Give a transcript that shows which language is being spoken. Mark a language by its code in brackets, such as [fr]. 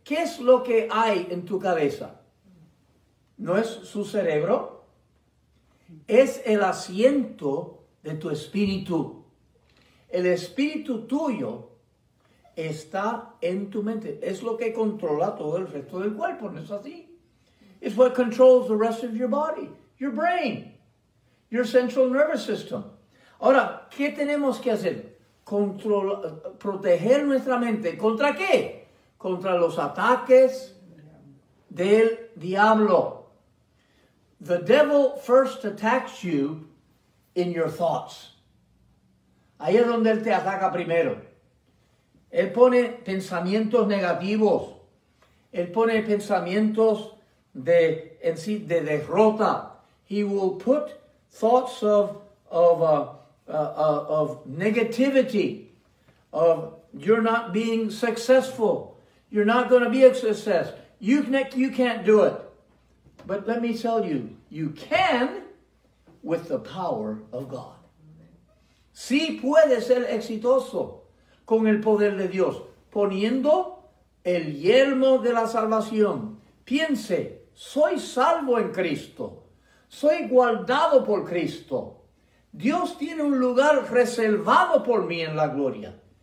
[es] ¿Qué es lo que hay en tu cabeza? ¿No es su cerebro? Es el asiento de tu espíritu. El espíritu tuyo está en tu mente. Es lo que controla todo el resto del cuerpo. ¿No es así? [en] It's what controls the rest of your body, your brain, your central nervous system. [es] Ahora, ¿qué tenemos que hacer? Proteger nuestra mente. ¿Contra qué? Contra los ataques del diablo. [en] The devil first attacks you in your thoughts. [es] Ahí es donde él te ataca primero. Él pone pensamientos negativos. Él pone pensamientos de derrota. [en] He will put thoughts of negativity, of you're not being successful. You're not going to be a success. You can't do it. But let me tell you, you can with the power of God. [es] Sí puede ser exitoso con el poder de Dios, poniendo el yelmo de la salvación. Piense, soy salvo en Cristo. Soy guardado por Cristo. Dios tiene un lugar reservado por mí en la gloria.